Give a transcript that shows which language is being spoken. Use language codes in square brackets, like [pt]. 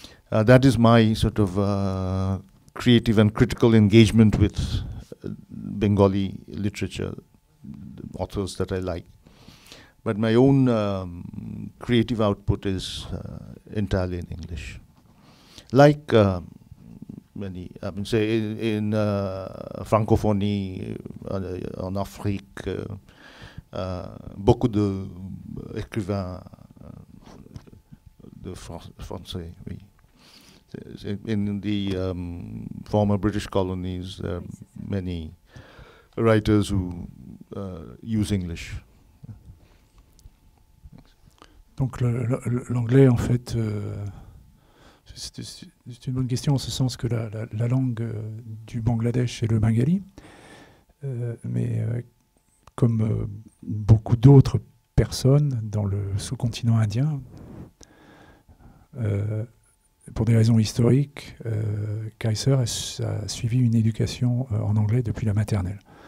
[en] That is my sort of creative and critical engagement with Bengali literature, the authors that I like. But my own creative output is entirely in English. Like many, I mean, say in [fr] Francophonie, en Afrique, beaucoup de écrivains de français, oui. [en] In the former British colonies, there are many writers who use English. [fr] Donc l'anglais, en fait, c'est une bonne question en ce sens que la langue du Bangladesh est le bengali, mais comme beaucoup d'autres personnes dans le sous-continent indien, pour des raisons historiques, Kaiser a suivi une éducation en anglais depuis la maternelle.